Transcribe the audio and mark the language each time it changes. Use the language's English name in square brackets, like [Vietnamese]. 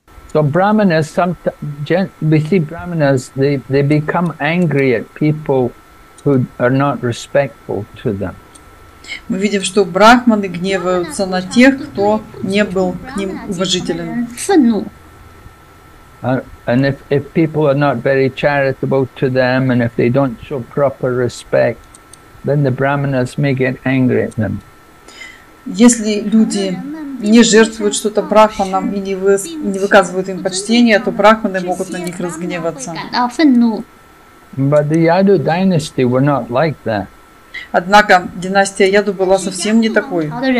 [English] So brahmanas, we see brahmanas, they become angry at people who are not respectful to them. [Russian] Мы видим, что брахманы гневаются на тех, кто не был к ним уважителен. [English] And if people are not very charitable to them, and if they don't show proper respect, then the brahmanas may get angry at them. [Russian] Если люди не жертвуют что-то брахманам и не выказывают им почтения, то брахманы могут на них разгневаться. [English] But the Yadu dynasty were not like that. [Russian] Однако династия Яду была совсем не такой.